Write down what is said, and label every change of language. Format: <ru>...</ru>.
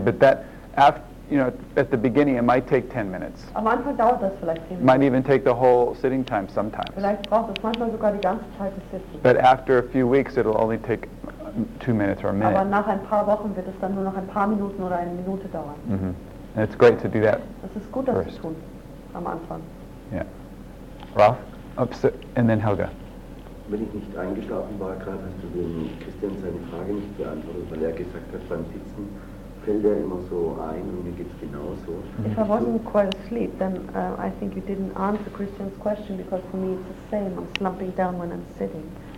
<en>But that, at the beginning, it might take 10 minutes.</en> <de>Am Anfang dauert das vielleicht 10 Minuten.</de> <en>Might even take the whole sitting time sometimes.</en> <de>Vielleicht braucht es manchmal sogar die ganze Zeit des Sitzens.</de> <en>But after a few weeks, it'll only take 2 minutes or a minute.</en> <de>Aber nach ein paar Wochen wird es dann nur noch ein paar Minuten oder eine Minute dauern.</de> <en>Mm-hmm. And it's great to do that.</en> <de>Das ist gut, das zu tun am Anfang.</de> <en>Yeah. Ralf, and then Helga.</en> <de>Wenn ich nicht eingeschlafen war, gerade hast du dem Christian seine Frage nicht beantwortet, weil er gesagt hat, beim Sitzen fällt er immer so ein und mir geht es genauso.</de> <en>If I wasn't quite asleep, then I think you didn't answer Christian's question, because for me it's the same, I'm slumping down when I'm sitting.</en>